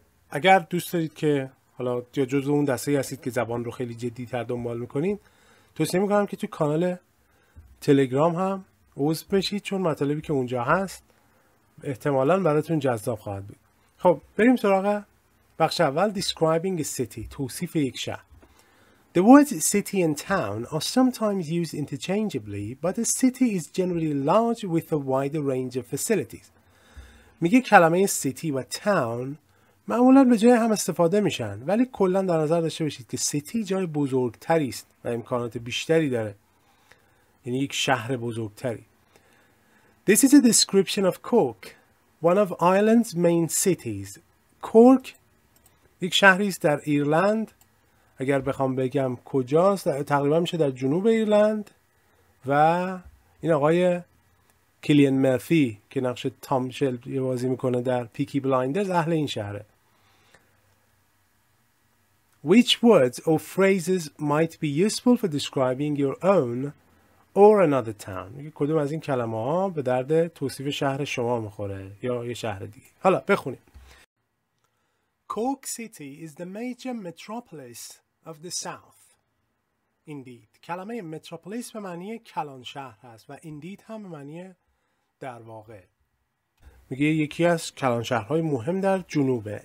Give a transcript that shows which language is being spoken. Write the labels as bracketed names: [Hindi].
[Persian] اگر دوست دارید که حالا یا جزء اون دسته ای هستید که زبان رو خیلی جدی تر دنبال میکنید، توصیه میکنم که تو کانال تلگرام هم عضو بشید، چون مطالبی که اونجا هست احتمالا براتون جذاب خواهد بود. خب بریم سراغ بخش اول. [English] Describing a city، [Persian] توصیف یک شهر. [English] The words city and town are sometimes used interchangeably, but a city is generally large with a wider range of facilities. [Persian] میگه کلمه city و town معمولا به جای هم استفاده میشن، ولی کلا در نظر داشته باشید که city جای بزرگتری است و امکانات بیشتری داره، یعنی یک شهر بزرگتری. [English] This is a description of Cork, one of Ireland's main cities. [Persian] Cork یک شهری است در ایرلند. اگر بخوام بگم کجاست، تقریبا میشه در جنوب ایرلند. و این آقای کیلین مرفی که نقش تام شلبی بازی میکنه در پیکی بلایندرز اهل این شهره. [English] Which words or phrases might be useful for describing your own or another town. [Persian] کدوم از این کلمه ها به درد توصیف شهر شما میخوره یا یه شهر دیگه. حالا بخونیم. [English] Cork City is the major metropolis of the south. Indeed. [Persian] کلمه metropolis به معنی کلان شهر هست و indeed هم به معنی در واقع. میگه یکی از کلان شهرهای مهم در جنوبه.